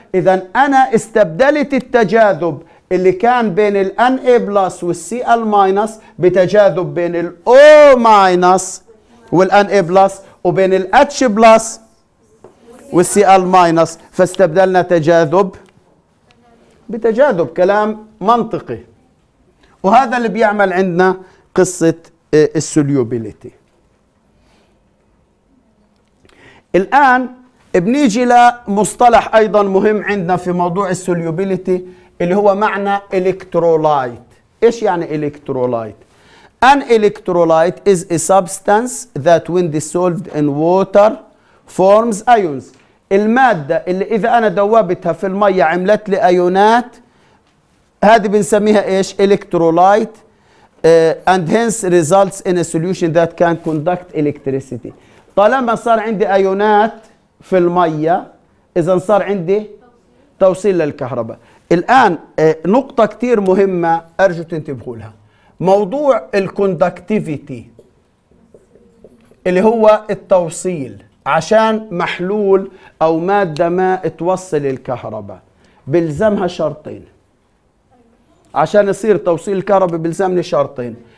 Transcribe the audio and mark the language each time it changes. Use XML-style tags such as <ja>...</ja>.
<ar>اذا انا استبدلت التجاذب اللي كان بين ال Na بلس والسي ال ماينس بتجاذب بين ال O ماينس وال Na بلس، وبين ال H بلس والسي ال ماينس، فاستبدلنا تجاذب بتجاذب. كلام منطقي، وهذا اللي بيعمل عندنا قصة السوليوبيليتي. الآن بنيجي لمصطلح أيضا مهم عندنا في موضوع السوليوبيليتي اللي هو معنى إلكترولايت. إيش يعني إلكترولايت؟</ar> <en>An electrolyte is a substance that when dissolved in water forms ions.</en> <ar>المادة اللي إذا أنا دوبتها في الماء عملت لي أيونات، هذه بنسميها إيش؟ إلكترولايت.</ar> <en>And hence results in a solution that can conduct electricity.</en> <ar>طالما صار عندي أيونات في الماء، إذا صار عندي توصيل للكهرباء. الآن نقطة كتير مهمة أرجو تنتبهوا لها، موضوع الكوندكتيفيتي اللي هو التوصيل، عشان محلول أو مادة ما توصل الكهرباء بلزمها شرطين، عشان يصير توصيل الكهرباء بلزمني شرطين.</ar>